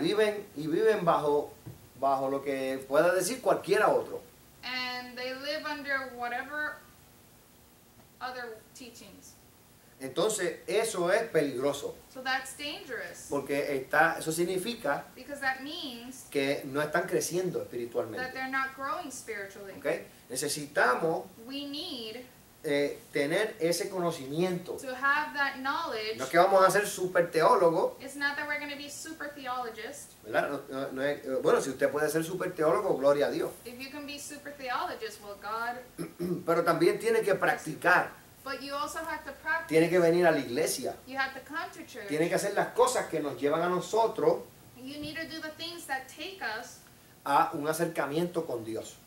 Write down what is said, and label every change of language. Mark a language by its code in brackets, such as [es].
[es] Y viven bajo lo que pueda decir cualquiera otro. [en] And they live under whatever other teachings. [es] Entonces, eso es peligroso. [en] So that's dangerous. [es] Porque eso significa, [en] because that means, [es] que no están creciendo espiritualmente. [en] That they're not growing spiritually. [es] Okay? Necesitamos, [en] we need, [es] tener ese conocimiento. [en] To have that knowledge. [es] No es que vamos a ser super teólogos. [en] It's not that we're going to be super theologists. [es] ¿Verdad? No es, bueno, si usted puede ser super teólogo, gloria a Dios. [en] If you can be super theologist, well, God. [es] Pero también tiene que practicar. [en] But you also have to practice. [es] Tiene que venir a la iglesia. [en] You have to come to church. [es] Tiene que hacer las cosas que nos llevan a nosotros. [en] You need to do the things that take us. [es] A un acercamiento con Dios.